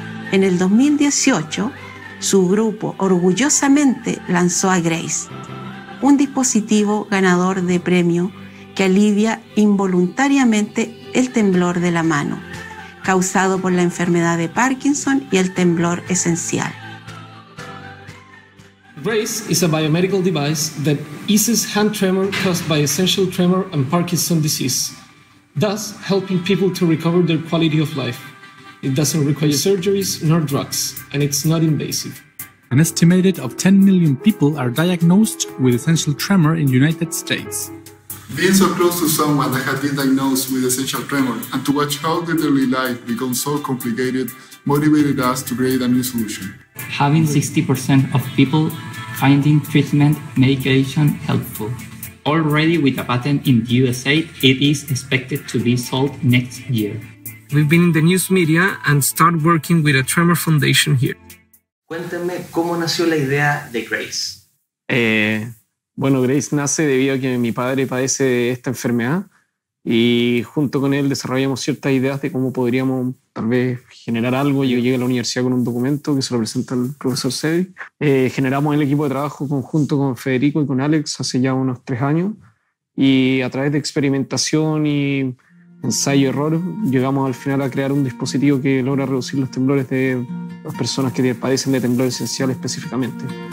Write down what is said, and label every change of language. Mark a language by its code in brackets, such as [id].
[es] En el 2018, su grupo orgullosamente lanzó a Grace, un dispositivo ganador de premio que alivia involuntariamente el temblor de la mano, causado por la enfermedad de Parkinson y el temblor esencial. [en] Grace is a biomedical device that eases hand tremor caused by essential tremor and Parkinson's disease, thus helping people to recover their quality of life. It doesn't require surgeries nor drugs, and it's not invasive. An estimated of 10 million people are diagnosed with essential tremor in the United States. Being so close to someone that had been diagnosed with essential tremor and to watch how their daily life becomes so complicated motivated us to create a new solution. Having 60% of people finding treatment medication helpful. Already with a patent in the USA, it is expected to be sold next year. We've been in the news media and start working with a tremor foundation here. [es] Cuéntame cómo nació la idea de Grace. Grace nace debido a que mi padre padece de esta enfermedad. y junto con él desarrollamos ciertas ideas de cómo podríamos tal vez generar algo. Yo llegué a la universidad con un documento que se lo presenta el profesor Cedri. Generamos el equipo de trabajo conjunto con Federico y con Alex hace ya unos 3 años, y a través de experimentación y ensayo-error llegamos al final a crear un dispositivo que logra reducir los temblores de las personas que padecen de temblor esencial específicamente.